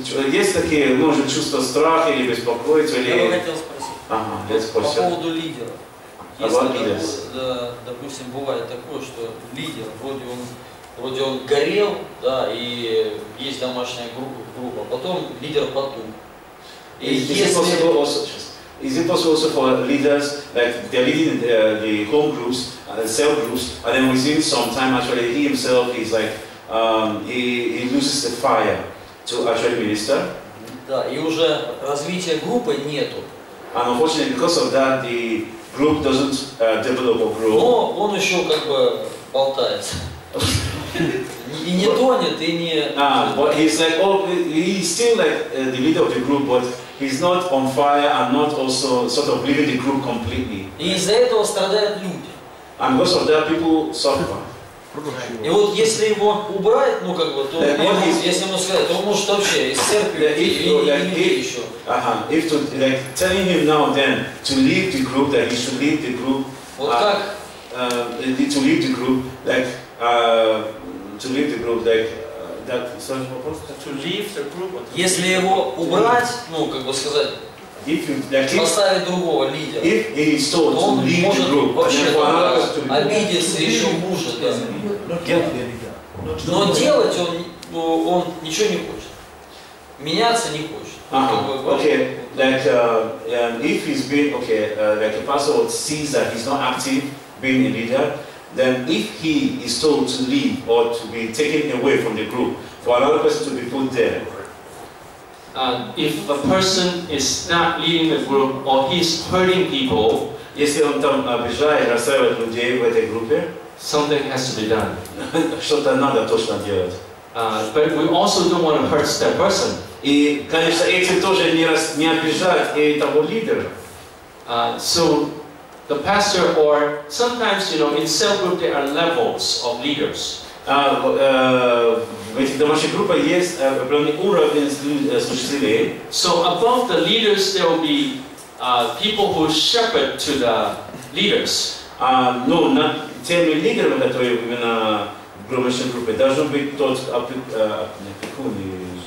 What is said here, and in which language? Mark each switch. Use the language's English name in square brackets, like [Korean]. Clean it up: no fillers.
[Russian] Есть такие, может, чувства страха или беспокойства? Я бы хотел спросить. Ага, по поводу лидера. Если, допустим, бывает такое, что лидер, вроде он горел, да, и есть домашняя группа, потом лидер потух. [English] Is it possible for leaders, like they're leading the home groups, the cell groups, and then within some time, actually, he himself is like, he loses the fire to actually minister? [Russian] Да, и уже развития группы нету. [English] And unfortunately, because of that, the group doesn't develop or grow. [Russian] Но он еще как бы болтается. И не тонет, и не... [English] But he's like, he's still like the leader of the group, but he's not on fire and not also sort of leaving the group completely. [Russian] И из-за этого страдают люди. [English] And because of that, people suffer. [Russian] И вот если его убрать, ну как бы, то если ему сказать, то он может вообще из церкви и еще. Ага. [English] If to like telling him now then to leave the group, that he should leave the group. [Russian] Вот как? [English] To leave the group, like to leave the group, like that. [Russian] Сложный вопрос. [English] To leave the group. [Russian] Если его убрать, ну как бы сказать. Поставить другого лидера, то он может [English] group, [Russian] вообще обидеться и еще хуже. Да. Но делать он ничего не хочет. Меняться не хочет. [English] If he's been like a pastor sees that he's not active being a leader, then if he is told to leave or to be taken away from the group for another person to be put there. If a person is not leading the group or he's hurting people, [Russian] если он там обижает, расстраивает людей в этой группе, [English] something has to be done. [Russian] Что-то надо точно делать. [English] But we also don't want to hurt that person. [Russian] И, конечно, этим тоже не обижать и того лидера. [English] So the pastor, or sometimes, you know, in cell group there are levels of leaders. [Russian] В этих домашних группах есть определенный уровень служителей. [English] So above the leaders there will be people who shepherd to the leaders. [Russian] Ну, над теми лидерами, которые именно в громадской группе, должен быть тот опекун или...